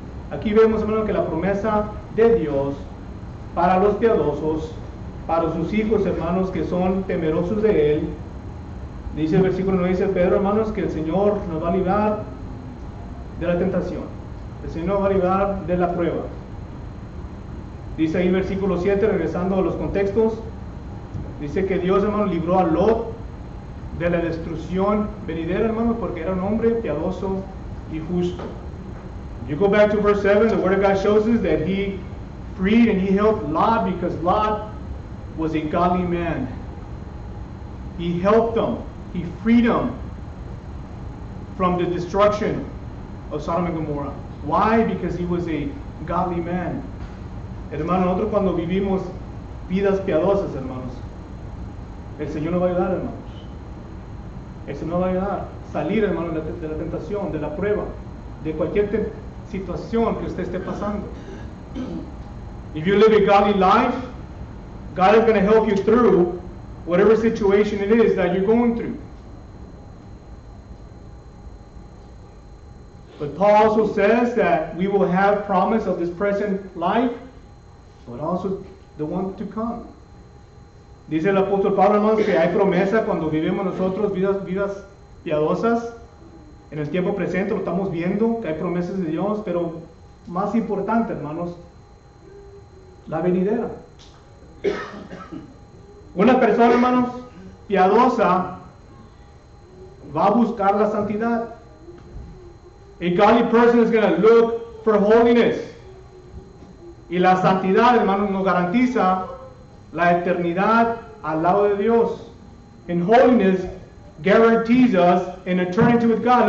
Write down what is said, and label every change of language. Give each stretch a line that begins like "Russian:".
Spanish: Aquí vemos, hermano, que la promesa de Dios para los piadosos, para sus hijos, hermanos, que son temerosos de Él, dice el versículo 9, dice Pedro, hermanos, que el Señor nos va a librar de la tentación. El Señor nos va a librar de la prueba. Dice ahí el versículo 7, regresando a los contextos, dice que Dios, hermano, libró a Lot de la destrucción venidera, hermano, porque era un hombre piadoso y justo.
English: You go back to verse 7, the word of God shows us that he freed and he helped Lot because Lot was a godly man. He helped them, he freed them from the destruction of Sodom and Gomorrah. Why? Because he was a godly man.
Spanish: Hermano, nosotros cuando vivimos vidas piadosas, hermanos, el Señor nos va a ayudar, hermano. Eso no va a ayudar. Salir, hermano, de la tentación, de la prueba, de cualquier situación que usted esté pasando.
English: If you live a godly life, God is going to help you through whatever situation it is that you're going through. But Paul also says that we will have promise of this present life, but also the one to come.
Spanish: Dice el apóstol Pablo, hermanos, que hay promesa cuando vivimos nosotros vidas piadosas. En el tiempo presente lo estamos viendo, que hay promesas de Dios, pero más importante, hermanos, la venidera. Una persona, hermanos, piadosa va a buscar la santidad.
English: A godly person is going to look for holiness.
Spanish: Y la santidad, hermanos, nos garantiza la eternidad al lado de Dios.
English: And holiness guarantees us an eternity with God.